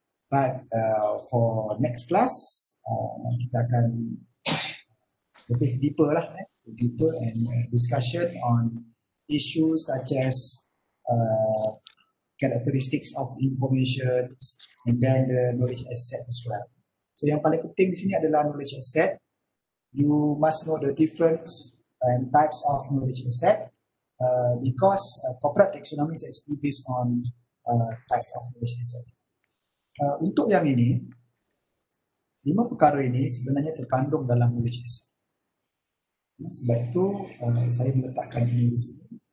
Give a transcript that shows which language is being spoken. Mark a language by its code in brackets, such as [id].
[en] But for next class, [ms] kita akan lebih deeper lah, [en] eh, deeper and discussion on issues such as characteristics of information and then the knowledge asset as well. [ms] So yang paling penting di sini adalah knowledge asset. [en] You must know the difference and types of knowledge asset because corporate taxonomy is actually based on types of knowledge asset. [ms] Untuk yang ini, lima perkara ini sebenarnya terkandung dalam knowledge asset. Sebab itu saya meletakkan ini di sini.